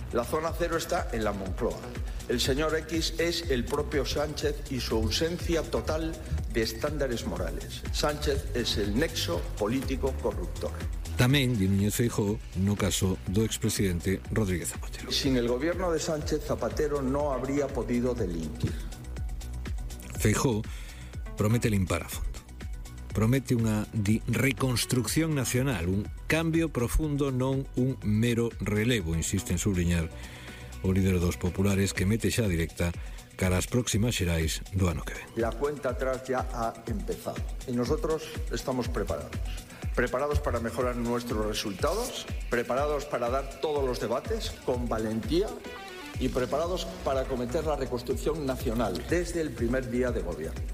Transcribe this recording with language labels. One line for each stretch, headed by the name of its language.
Spanish: La zona cero está en la Moncloa. El señor X es el propio Sánchez y su ausencia total de estándares morales. Sánchez es el nexo político corruptor.
Galician: Tamén, di Núñez Feijóo, no caso do expresidente Rodríguez Zapatero.
Spanish: Sin el gobierno de Sánchez, Zapatero no habría podido delinquir.
Galician: Feijóo promete limpar a fondo. Promete unha reconstrucción nacional, un cambio profundo, non un mero relevo, insiste en subliñar o líder dos populares, que mete xa directa cara as próximas xerais do ano que ven.
Spanish: La cuenta atrás ya ha empezado e nosotros estamos preparados. Preparados para mejorar nuestros resultados, preparados para dar todos los debates con valentía y preparados para acometer la reconstrucción nacional desde el primer día de gobierno.